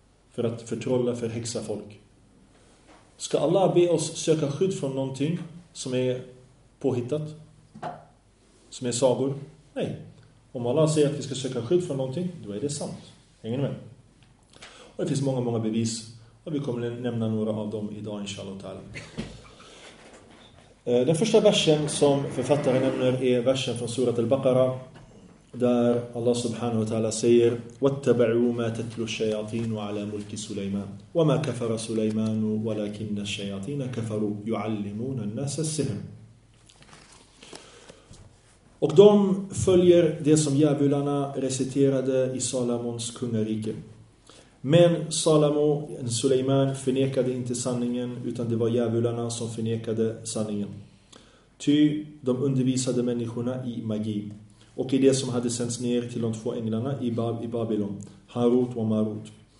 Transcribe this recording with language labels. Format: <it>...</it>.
<sv>För att förtrolla, för häxa folk. Ska Allah be oss söka skydd från någonting som är påhittat? Som är sagor? Nej. Om Allah säger att vi ska söka skydd från någonting, då är det sant. Hänger ni med? Och det finns många, många bevis. Och vi kommer nämna några av dem idag, inshallah ta'ala. Den första versen som författaren nämner är versen från surat al-Baqarah. Där Allah subhanahu wa ta'ala säger</sv> <ar>وَاتَّبَعُوا مَا تَتْلُوا الشَّيَاطِينُ عَلَى مُلْكِ سُلَيْمَانُ وَمَا كَفَرَ سُلَيْمَانُ وَلَكِنَّ الشَّيَاطِينَ كَفَرُوا يُعَلِّمُونَ النَّاسَ السِّهْرَ.</ar> <sv>Och de följer det som djävularna reciterade i Salomons kungarike. Men Salomo, Suleiman, förnekade inte sanningen utan det var djävularna som förnekade sanningen. Ty de undervisade människorna i magi och i det som hade sänds ner till de två änglarna i Babylon, Harut och Marut.</sv>